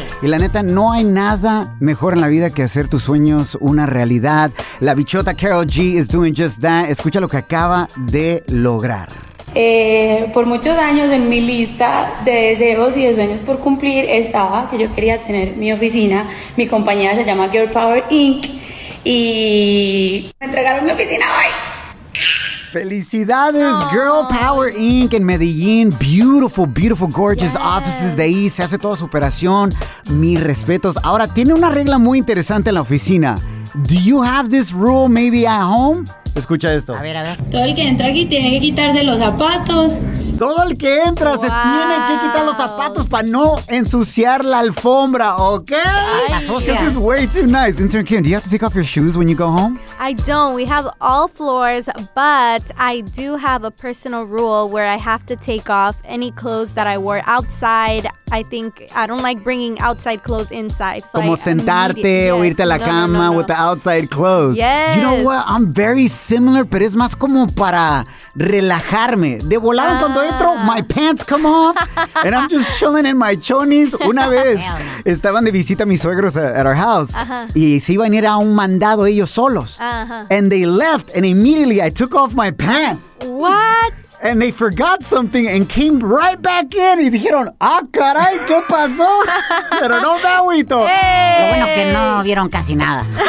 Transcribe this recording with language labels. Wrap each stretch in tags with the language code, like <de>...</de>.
<es>Y la neta, no hay nada mejor en la vida que hacer tus sueños una realidad.</es> <en>La bichota Karol G is doing just that.</en> <es>Escucha lo que acaba de lograr. Por muchos años en mi lista de deseos y de sueños por cumplir estaba que yo quería tener mi oficina. Mi compañía se llama Girl Power Inc. Y me entregaron mi oficina hoy. ¡Felicidades, oh. Girl Power Inc. en Medellín!</es> <en>Beautiful, beautiful, gorgeous, yes. Offices</en> <es>de ahí. Se hace toda su operación. Mis respetos. Ahora, tiene una regla muy interesante en la oficina.</es> <en>Do you have this rule maybe at home?</en> <es>Escucha esto. A ver, a ver. Todo el que entra aquí tiene que quitarse los zapatos. Todo el que entra, wow, se tiene que quitar los zapatos para no ensuciar la alfombra, ¿ok? Ay,</es> <en>this is way too nice. Intern Kim, do you have to take off your shoes when you go home? I don't. We have all floors, but I do have a personal rule where I have to take off any clothes that I wore outside. I think I don't like bringing outside clothes inside.</en> <es>So como sentarte o irte a la cama</es> <en>with the outside clothes. Yes. You know what? I'm very similar,</en> <es>pero es más como para relajarme. De volar cuando entro,</es> <en>my pants come off, and I'm just chilling in my chonies.</en> <es>Una vez estaban de visita mis suegros</es> <en>at our house,</en> <es>uh-huh, y se iban a ir a un mandado ellos solos. Uh-huh.</es> <en>And they left, and immediately I took off my pants. What? And they forgot something and came right back in.</en> <es>Y dijeron, ah, caray, ¿qué pasó? Pero no, Mauito. Hey. Lo bueno que no vieron casi nada.</es>